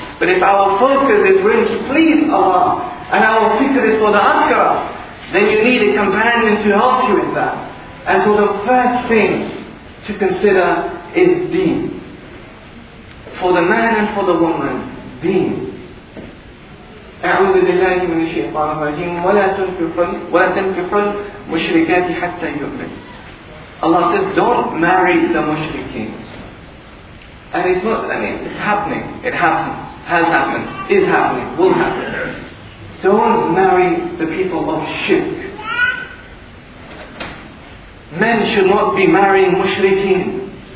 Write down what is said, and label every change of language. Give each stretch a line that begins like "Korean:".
English: But if our focus is really to please Allah, and our fikr is for the akhirah, then you need a companion to help you with that. And so the first thing to consider is deen. For the man and for the woman, deen.
Arabic: أعوذ بالله من الشيطان الرجيم ولا تنكحوا المشركات حتى يؤمن.
English: Allah says, don't marry the mushrikeen. And it's not, it's happening. It happens. Has happened. Is happening. Will happen. Don't marry the people of shirk. Men should not be marrying mushrikeen.